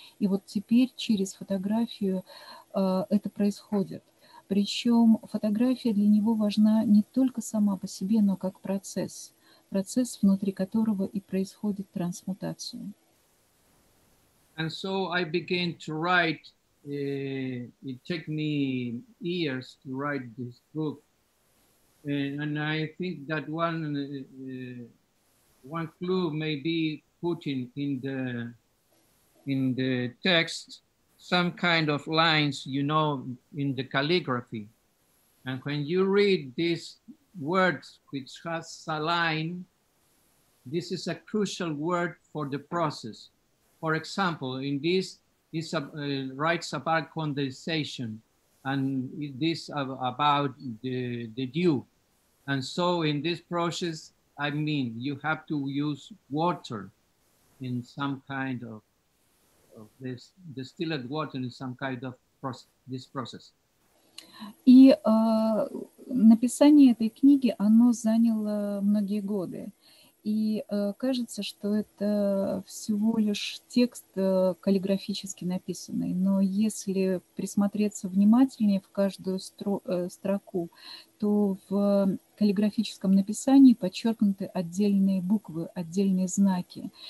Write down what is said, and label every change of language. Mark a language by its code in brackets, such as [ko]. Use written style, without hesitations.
[ru] И вот теперь через фотографию это происходит. Причем фотография для него важна не только сама по себе, но как процесс. Процесс, внутри которого и происходит трансмутация. [en] And so I began to write, it took me years to write this book. And I think that one clue may be put in the text. Some kind of lines, you know, in the calligraphy. And when you read these words, which has a line, this is a crucial word for the process. For example, in this, it writes about condensation, and this about the dew. And so in this process, I mean, you have to use water in some kind of this distilled water in some kind of this process. [ru] И написание этой книги, оно заняло многие годы. И кажется, что это всего лишь текст каллиграфически написанный. Но если присмотреться внимательнее в каждую строку, то в каллиграфическом написании подчеркнуты отдельные буквы, отдельные знаки.